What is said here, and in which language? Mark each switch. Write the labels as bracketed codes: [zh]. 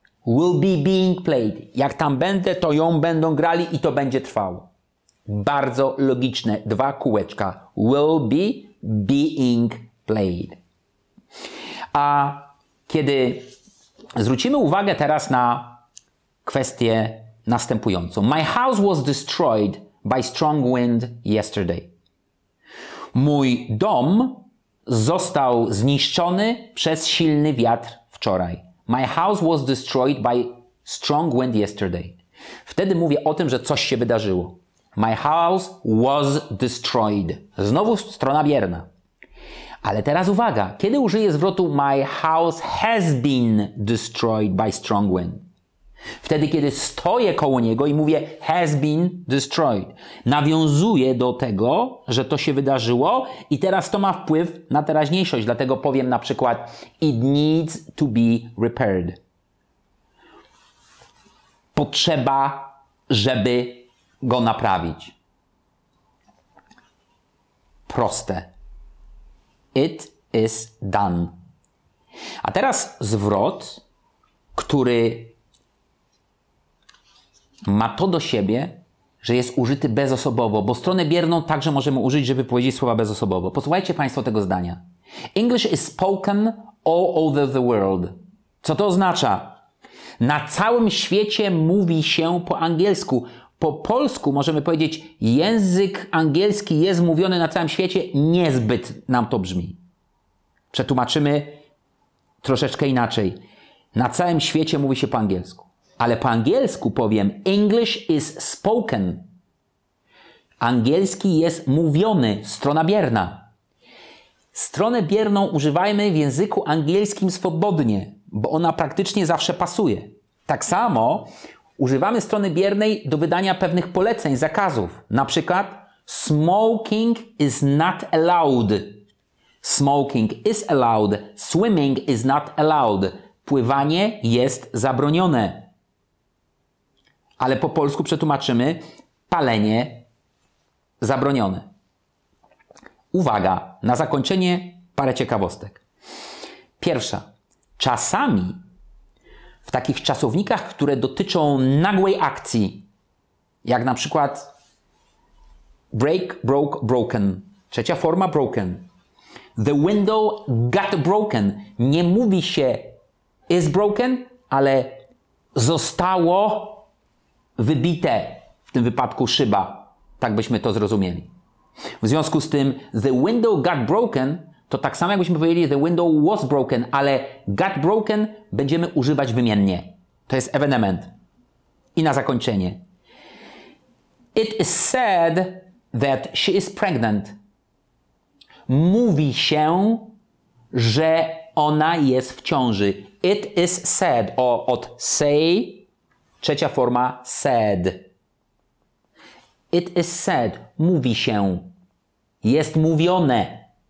[en] Will be being played. [pl] Jak tam będę, to ją będą grali i to będzie trwało. Bardzo logiczne. Dwa kółeczka. [en] Will be being played. [pl] A kiedy zwrócimy uwagę teraz na kwestię następującą. [en] My house was destroyed by strong wind yesterday. [pl] Mój dom został zniszczony przez silny wiatr wczoraj. [en] My house was destroyed by strong wind yesterday. [pl] Wtedy mówię o tym, że coś się wydarzyło. [en] My house was destroyed. [pl] Znowu strona bierna. Ale teraz uwaga. Kiedy użyję zwrotu [en] my house has been destroyed by strong wind? [pl] Wtedy, kiedy stoję koło niego i mówię [en] has been destroyed, [pl] nawiązuję do tego, że to się wydarzyło i teraz to ma wpływ na teraźniejszość. Dlatego powiem na przykład [en] it needs to be repaired. [pl] Potrzeba, żeby go naprawić. Proste. [en] It is done. [pl] A teraz zwrot, który ma to do siebie, że jest użyty bezosobowo, bo stronę bierną także możemy użyć, żeby powiedzieć słowa bezosobowo. Posłuchajcie Państwo tego zdania. [en] English is spoken all over the world. [pl] Co to oznacza? Na całym świecie mówi się po angielsku. Po polsku możemy powiedzieć, język angielski jest mówiony na całym świecie. Niezbyt nam to brzmi. Przetłumaczymy troszeczkę inaczej. Na całym świecie mówi się po angielsku. Ale po angielsku powiem [en] English is spoken. [pl] Angielski jest mówiony, strona bierna. Stronę bierną używajmy w języku angielskim swobodnie, bo ona praktycznie zawsze pasuje. Tak samo używamy strony biernej do wydania pewnych poleceń, zakazów. Na przykład [en] smoking is not allowed. Smoking is allowed. Swimming is not allowed. [pl] Pływanie jest zabronione. Ale po polsku przetłumaczymy palenie zabronione. Uwaga, na zakończenie parę ciekawostek. Pierwsza. Czasami w takich czasownikach, które dotyczą nagłej akcji, jak na przykład break, broke, broken. Trzecia forma [en] broken. The window got broken. [pl] Nie mówi się [en] is broken, [pl] ale zostało wybite, w tym wypadku szyba. Tak byśmy to zrozumieli. W związku z tym [en] the window got broken, [pl] to tak samo jakbyśmy powiedzieli [en] the window was broken, [pl] ale [en] got broken [pl] będziemy używać wymiennie. To jest evenement. I na zakończenie. [en] It is said that she is pregnant. [pl] Mówi się, że ona jest w ciąży. [en] It is said. [pl] Od [en] say. [pl] Trzecia forma [en] said. It is said. [pl] Mówi się. Jest mówione.